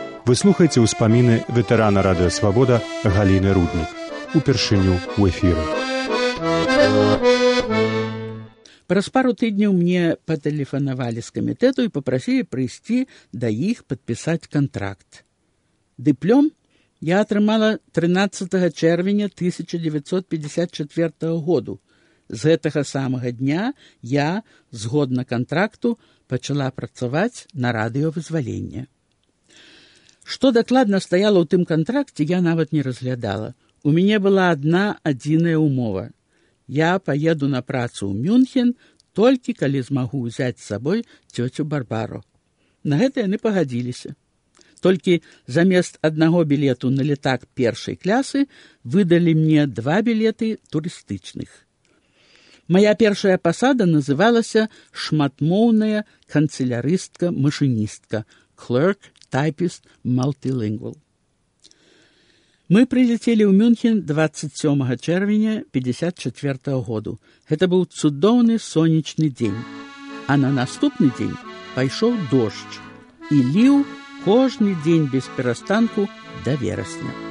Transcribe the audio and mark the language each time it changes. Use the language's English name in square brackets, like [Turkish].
[Belarusian] Вы слухаеце ўспаміны ветэрана Радыё Свабода Галіны Руднік. Упершыню ў эфіры. Праз пару тыдняў мне патэлефанавалі з камітэту і папрасілі прыйсці да іх падпісаць кантракт. Дыплём я атрымала 13 червеня 1954 году. З гэтага самага дня я, згодна кантракту, пачала працаваць на Радыё Вызвалення. Што дакладна стаяла ў тым кантракце, я нават не разглядала. У мяне была адна адзіная ўмова. Я паеду на працу ў Мюнхен, толькі калі змагу ўзяць з сабой цёцю Барбару. На гэта яны пагадзіліся. Толькі замест аднаго білету на літак першай класы выдалі мне два білеты турыстычных. Мая першая пасада называлася «Шматмоўная канцеляристка-машыністка» [English] «Clerk» Typist Multilingual. [Russian] Мы прилетели в Мюнхен 27 червеня 54 году. Это был чудовный сонечный день. А на наступный день пошел дождь. И лил каждый день без перестанку до вересня.